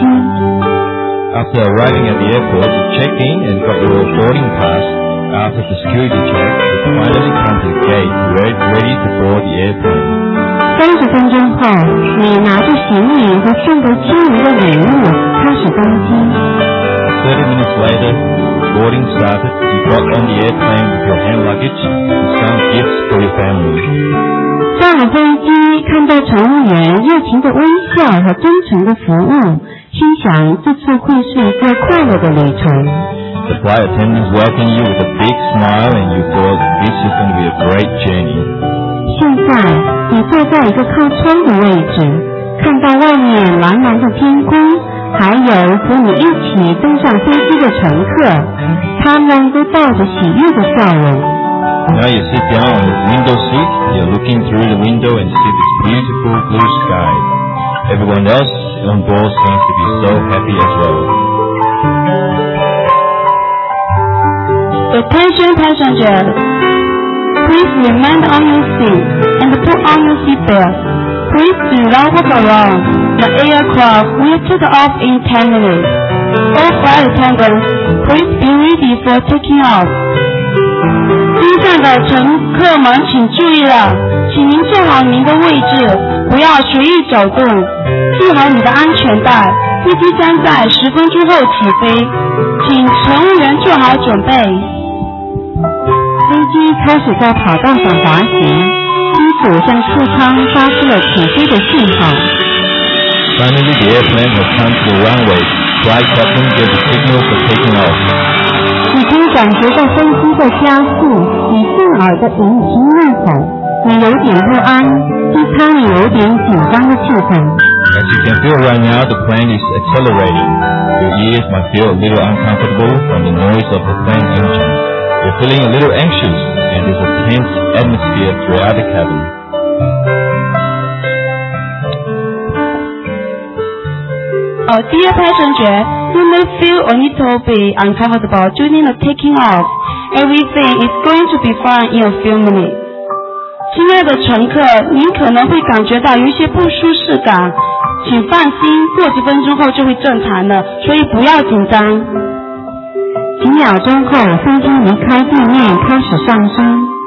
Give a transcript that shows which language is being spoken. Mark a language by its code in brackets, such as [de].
[en] After arriving at the airport, you check in and got your boarding pass. After the security check, you finally come to the gate ready to board the airplane. [zh] 三十分钟后，你拿着行李和送到机门的礼物开始登机。 [en] 30 minutes later, boarding started. You got on the airplane with your hand luggage and some gifts for your family. [zh] 上了飞机，看到乘务员热情的微笑和真诚的服务，心想这次会是一个快乐的旅程。 [en] The flight attendants welcome you with a big smile, and you thought this is going to be a great journey. [zh] 现在，你坐在一个靠窗的位置，看到外面蓝蓝的天空，还有和你一起登上飞机的乘客，他们都带着喜悦的笑容。 [en] Now you sit down on the window seat. You're looking through the window and see this beautiful blue sky. Everyone else on board seems to be so happy as well. Attention passengers, please remain on your seat and put on your seat belt. Please do not walk around. The aircraft will take off in 10 minutes. All flight attendants, please be ready for taking off. [zh] 机上的乘客们请注意了，请您坐好您的位置，不要随意走动，系好你的安全带，飞机将在十分钟后起飞，请乘务员做好准备。飞机开始在跑道上滑行，机组向客舱发出了起飞的信号。 [en] Finally, the airplane has come to the runway. Flight captain gives the signal for taking off. [zh] 你可以感觉到飞机在加速，你震耳的引擎呐喊，你有点不安，机舱里有点紧张的气氛。 [en] As you can feel right now, the plane is accelerating. Your ears might feel a little uncomfortable from the noise of the plane engine. You're feeling a little anxious, and there's a tense atmosphere throughout the cabin. Oh, dear passenger, you may feel a little bit uncomfortable during the taking off. Everything is going to be fine in a few minutes. [zh] 亲爱的乘客，您可能会感觉到有一些不舒适感，请放心，过几分钟后就会正常的，所以不要紧张。几秒钟后，飞机离开地面，开始上升。